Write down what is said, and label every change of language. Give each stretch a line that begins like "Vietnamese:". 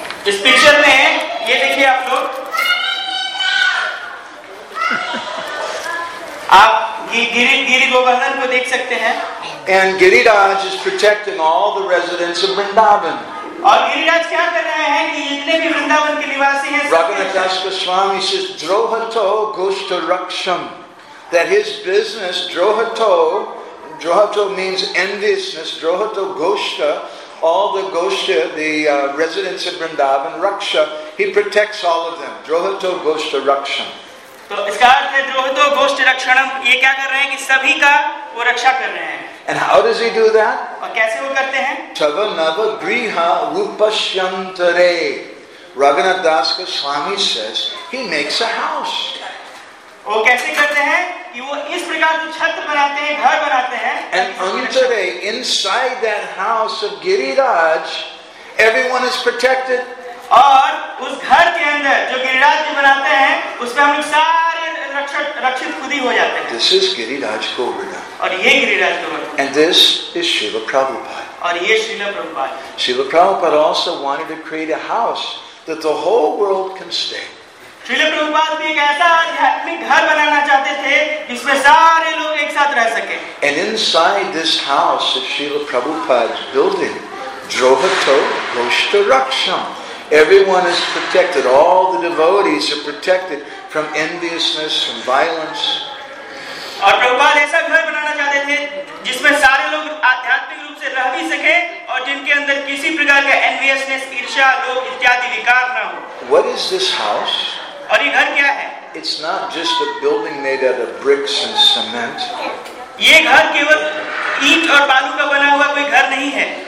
Hindi: इस पिक्चर में ये देखिए आप लोग. आप गिरी गोवर्धन को देख सकते हैं.
English: And Giriraj is protecting all the residents of Vrindavan.
Hindi: और गिरिराज क्या कर रहे हैं कि जितने भी वृंदावन के निवासी हैं.
English: Raghunathdas Goswami says
Sanskrit: Drohato Goshta Raksham.
English: That his business, Drohato means enviousness, Drohato Goshta, all the Goshta, the residents of Vrindavan, Raksha, he protects all of them.
Sanskrit: Drohato Goshta Raksham.
Hindi: So, iska arth hai
Sanskrit: Drohato Goshta Rakshanam,
Hindi: ye kya kar rahe hain ki sabhi ka wo raksha kar rahe hain.
English: And how does he do that?
Hindi: Aur kaise wo karte hain?
Sanskrit: Tava Nava Griha Upashyantare.
English: Raghunath Das Goswami says, he makes a house.
Hindi: वो कैसे करते हैं कि वो इस प्रकार से छत बनाते हैं, घर बनाते हैं.
English: And antare, inside that house of Giriraj, everyone is protected.
Hindi: और उस घर के अंदर जो गिरिराज जी बनाते हैं उसमें हम सारे रक्षित खुद ही हो जाते हैं.
English: This is Giriraj Govinda.
Hindi: और ये Giriraj Govardhan.
English: And this is Shiva Prabhupada.
Hindi: और ये Srila Prabhupada.
English: Shiva Prabhupada also wanted to create a house that the whole world can stay.
Hindi: Srila Prabhupada भी एक ऐसा आध्यात्मिक घर बनाना चाहते थे जिसमें सारे लोग एक साथ रह सके.
English: And inside this house of Srila Prabhupada's building,
Sanskrit: Drohato Goshta Raksham,
English: everyone is protected, all the devotees are protected from enviousness, from violence.
Hindi: और प्रभुपाद ऐसा घर बनाना चाहते थे जिसमें सारे लोग आध्यात्मिक रूप से रह भी सके और जिनके अंदर किसी प्रकार का एनवियसनेस, ईर्ष्या, लोभ इत्यादि विकार ना हो.
English: What is this house?
Hindi: और ये घर क्या है?
English: It's not just a building made out of bricks and cement.
Hindi: ये घर केवल ईंट और बालू का बना हुआ कोई घर नहीं है.